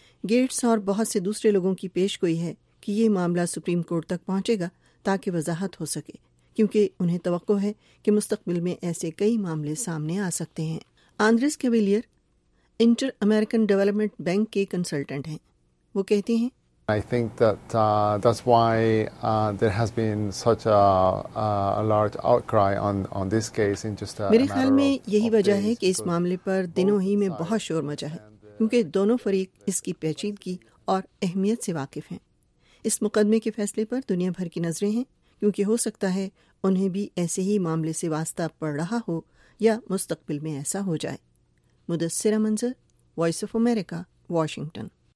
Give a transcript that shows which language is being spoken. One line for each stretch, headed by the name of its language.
Urdu: Gates اور بہت سے دوسرے لوگوں کی پیش گوئی ہے کہ یہ معاملہ سپریم کورٹ تک پہنچے گا تاکہ وضاحت ہو سکے، کیونکہ انہیں توقع ہے کہ مستقبل میں ایسے کئی معاملے سامنے آ سکتے ہیں۔ آندریس کیویلیئر انٹر امریکن ڈیولپمنٹ بینک کے کنسلٹنٹ ہیں، وہ کہتے ہیں
English: I think that that's why there has been such a large outcry on this case in just a
Urdu: میرے خیال میں یہی وجہ ہے کہ اس معاملے پر دنوں ہی میں بہت شور مچا ہے، کیونکہ دونوں فریق اس کی پیچیدگی اور اہمیت سے واقف ہیں۔ اس مقدمے کے فیصلے پر دنیا بھر کی نظریں ہیں، کیونکہ ہو سکتا ہے انہیں بھی ایسے ہی معاملے سے واسطہ پڑ رہا ہو یا مستقبل میں ایسا ہو جائے۔ مدثرہ منظر، وائس آف امریکہ، واشنگٹن۔